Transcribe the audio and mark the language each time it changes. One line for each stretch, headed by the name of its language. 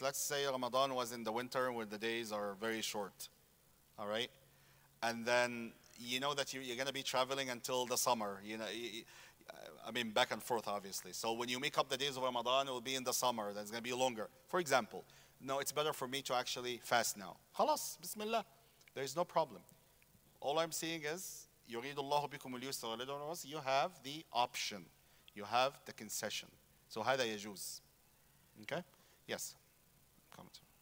English: Let's say Ramadan was in the winter where the days are very short. All right? And then you know that you're going to be traveling until the summer. You know, I mean, back and forth, obviously. So when you make up the days of Ramadan, it will be in the summer. That's going to be longer. For example, no, it's better for me to actually fast now. خلاص, Bismillah. There is no problem. All I'm saying is,
Arabic: يُرِيدُ اللَّهُ بِكُمُ الْيُسْرَ لِلْعُسْرَ.
English: You have the option. You have the concession. So
Arabic: هذا يجوز.
English: Okay? Yes. Comment.